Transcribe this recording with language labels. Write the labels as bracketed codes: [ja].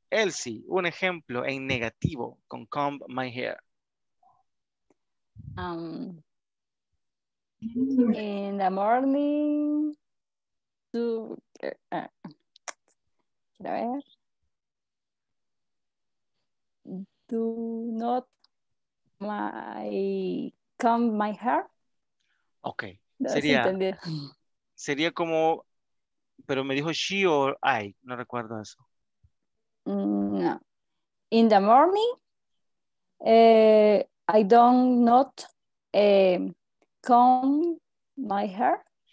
[es] Elsie, un ejemplo en negativo con [en] comb my hair. In the morning, to, [es] a ver, [en] do not my comb my hair. Okay. [es] Sería, sería como, pero me dijo [en] she or I, [es] no recuerdo eso. No. [en] In the morning, I don't not comb my hair.